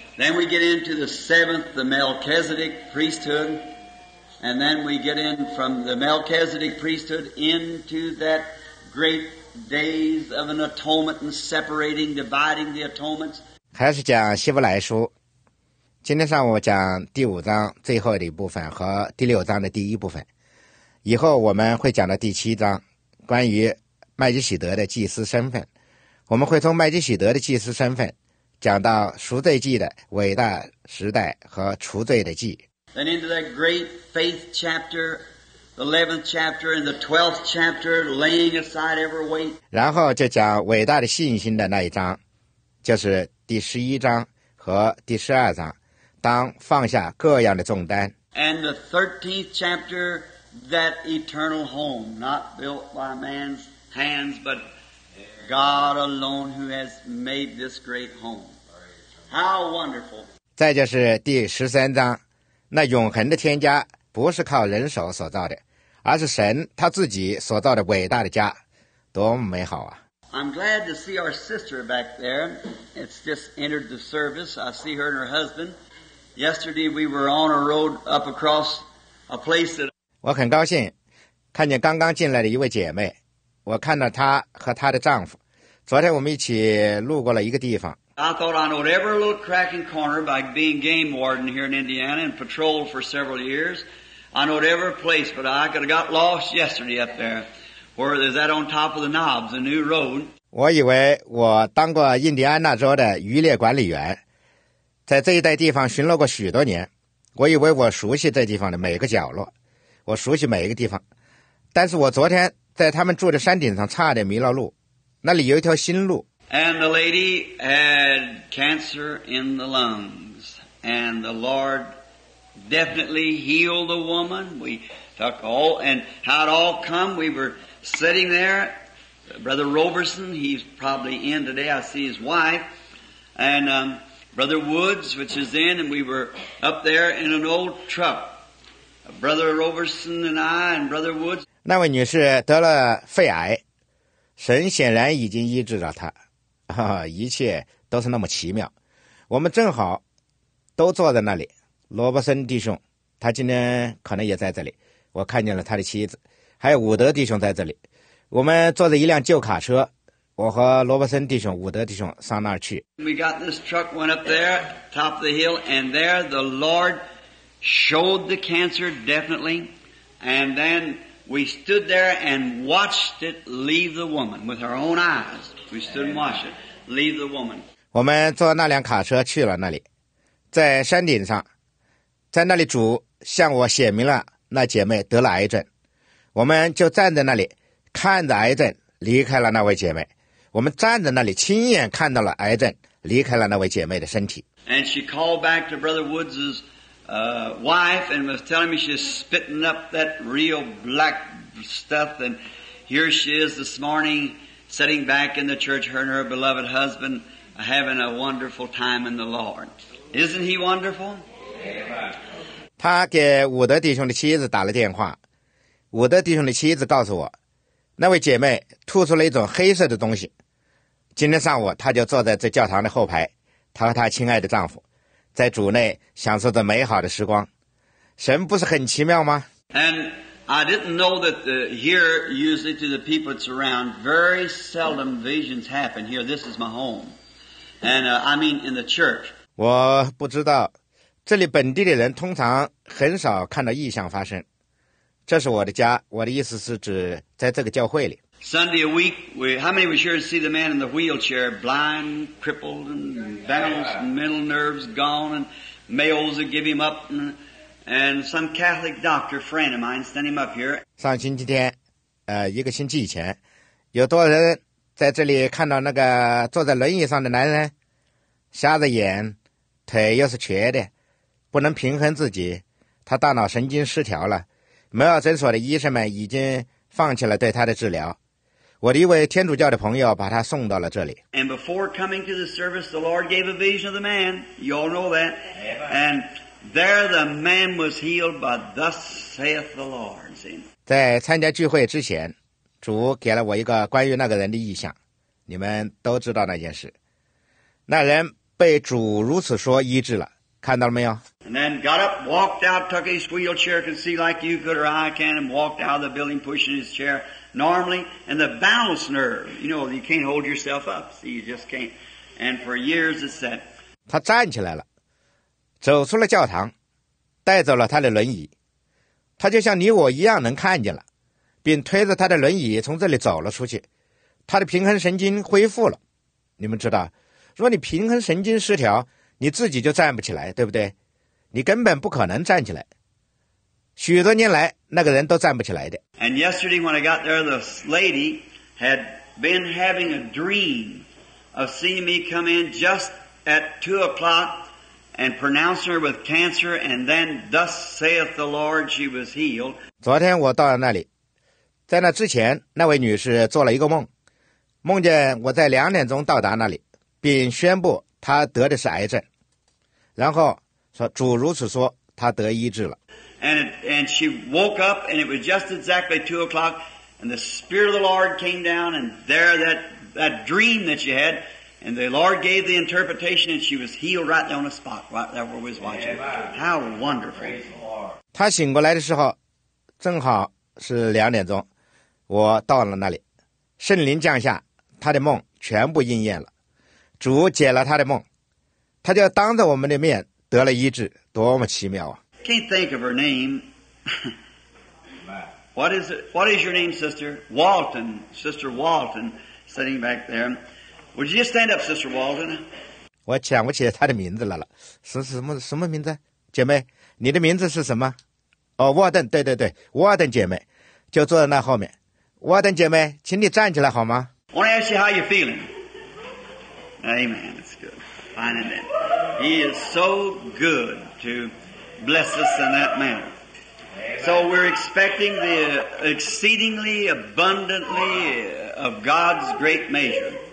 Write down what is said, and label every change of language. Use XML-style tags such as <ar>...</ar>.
<en>Then we get into the seventh, the Melchizedek priesthood. And then we get in from the Melchizedek priesthood into that great days of an atonement and separating, dividing the atonements.</en> <zh>还是讲希伯来书。今天上午讲第五章最后的一部分和第六章的第一部分。以后我们会讲到第七章关于麦基洗德的祭司身份。我们会从麦基洗德的祭司身份讲到赎罪祭的伟大时代和除罪的祭。</zh> <en>Then into that great faith chapter, the 11th chapter and the 12th chapter, laying aside every weight.</en> <zh>然后就讲伟大的信心的那一章，就是第十一章和第十二章，当放下各样的重担。</zh> <en>And the 13th chapter, that eternal home, not built by man's hands, but God alone who has made this great home. How wonderful.</en> <zh>再就是第十三章。那永恒的天家不是靠人手所造的，而是神他自己所造的伟大的家，多么美好啊！</zh> <en>I'm glad to see our sister back there. It's just entered the service. I see her and her husband. Yesterday we were on a road up across a place that</en> <zh>我很高兴看见刚刚进来的一位姐妹，我看到她和她的丈夫。昨天我们一起路过了一个地方。</zh> <en>I thought I knowed every little crack and corner by being game warden here in Indiana and patrolled for several years. I knowed every place, but I could have got lost yesterday up there, where there's that on top of the knobs, a new road.</en> <zh>我以为我当过印第安纳州的渔猎管理员，在这一带地方巡逻过许多年。我以为我熟悉这地方的每个角落，我熟悉每一个地方。但是我昨天在他们住的山顶上差点迷了路，那里有一条新路。</zh> <en>And the lady had cancer in the lungs. And the Lord definitely healed the woman. We took all, and how it all come, we were sitting there. Brother Roberson, he's probably in today, I see his wife. And Brother Woods, which is in, and we were up there in an old truck. Brother Roberson and I and Brother Woods.</en> <zh>那位女士得了肺癌，神显然已经医治了她。一切都是那么奇妙，我们正好都坐在那里。罗伯森弟兄他今天可能也在这里，我看见了他的妻子，还有伍德弟兄在这里。我们坐着一辆旧卡车，我和罗伯森弟兄、伍德弟兄上那儿去。</zh> <en>We got this truck went up there top of the hill, and there the Lord showed the cancer definitely, and then we stood there and watched it leave the woman with our own eyes. We stood and watched it, leave the woman.</en> <zh>我们坐那辆卡车去了那里，在山顶上，在那里主向我显明了那姐妹得了癌症。我们就站在那里看着癌症离开了那位姐妹。我们站在那里亲眼看到了癌症离开了那位姐妹的身体。</zh> <en>And she called back to Brother Woods' wife and was telling me she's spitting up that real black stuff. And here she is this morning. Sitting back in the church, her and her beloved husband having a wonderful time in the Lord. Isn't he wonderful? Amen.</en> <zh>他给伍德弟兄的妻子打了电话。伍德弟兄的妻子告诉我，那位姐妹吐出了一种黑色的东西。今天上午，她就坐在这教堂的后排，她和她亲爱的丈夫，在主内享受着美好的时光。神不是很奇妙吗？</zh> <en>AndI didn't know that here, usually to the people that's around, very seldom visions happen here. This is my home. And I mean in the church.</en> <zh>我不知道，这里本地的人通常很少看到异象发生。这是我的家，我的意思是指在这个教会里。</zh> <en>Sunday a week, how many were sure to see the man in the wheelchair, blind, crippled, and balanced, and mental nerves gone, and males would give him up, and some Catholic doctor friend of mine sent him up here.</en> <zh>上星期天，一个星期以前，有多少人在这里看到那个坐在轮椅上的男人，瞎着眼，腿又是瘸的，不能平衡自己，他大脑神经失调了，梅尔诊所的医生们已经放弃了对他的治疗。我的一位天主教的朋友把他送到了这里。</zh> <en>And before coming to the service, the Lord gave a vision of the man. You all know that. And there the man was healed, but thus saith the Lord.</en> <zh>在参加聚会之前，主给了我一个关于那个人的意象，你们都知道那件事。那人被主如此说医治了。看到了没有？</zh> <en>And then got up, walked out, took his wheelchair, can see like you could or I can, and walked out of the building pushing his chair normally. And the balance nerve, you know, you can't hold yourself up, see, you just can't. And for years it's that.</en> <zh>他站起来了，走出了教堂，带走了他的轮椅。他就像你我一样能看见了，并推着他的轮椅从这里走了出去。他的平衡神经恢复了。你们知道，若你平衡神经失调，你自己就站不起来，对不对？你根本不可能站起来。许多年来，那个人都站不起来的。</zh> <en>And yesterday when I got there, the lady had been having a dream of seeing me come in just at 2 o'clock and pronounce her with cancer, and then thus saith the Lord, she was healed.</en> <zh>昨天我到了那里，在那之前，那位女士做了一个梦，梦见我在2点钟到达那里，并宣布他得的是癌症，然后说主如此说，他得医治了。</zh> <en>And she woke up, and it was just exactly 2 o'clock, and the Spirit of the Lord came down, and there that dream that she had, and the Lord gave the interpretation, and she was healed right there on the spot, right there where we was watching. How wonderful!</en> <zh>他醒过来的时候，正好是2点钟，我到了那里，圣灵降下，他的梦全部应验了。主解了他的梦，他就当着我们的面得了医治，多么奇妙啊！</zh> <en>Can't think of her name. What is it? What is your name, Sister Walton? Sister Walton, sitting back there. Would you just stand up, Sister Walton?</en> <zh>我想不起他的名字来了，是什么名字？姐妹，你的名字是什么？哦，沃顿，对对对，沃顿姐妹，就坐在那后面。沃顿姐妹，请你站起来好吗</zh> <en>？I want to ask you how you're feeling. Amen. It's good. Fine, amen. He is so good to bless us in that manner. So we're expecting the exceedingly abundantly of God's great measure.</en>